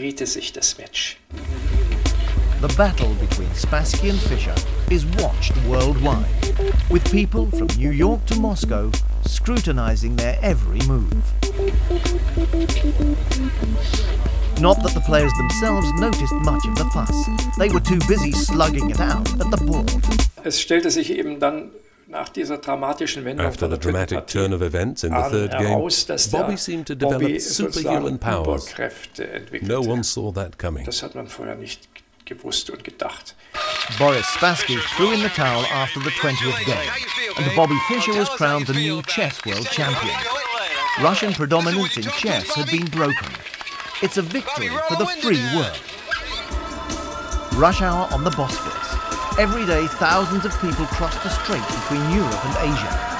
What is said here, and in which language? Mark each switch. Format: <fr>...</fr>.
<en>The battle between Spassky and Fischer is watched worldwide, with people from New York to Moscow scrutinizing their every move. Not that the players themselves noticed much of the fuss. They were too busy slugging it out at the board.</en> <de>Es stellte sich eben dann nach dieser dramatischen Wendung</de> <en>after the dramatic turn of events in the third game, Bobby seemed to develop superhuman powers. No one saw that coming.</en> <de>Das hat man vorher nicht gewusst und gedacht.</de> <en>Boris Spassky threw in the towel after the 20th game, and Bobby Fischer was crowned the new chess world champion. Russian predominance in chess had been broken. It's a victory for the free world. Rush hour on the Bosphorus. Every day, thousands of people cross the strait between Europe and Asia.</en>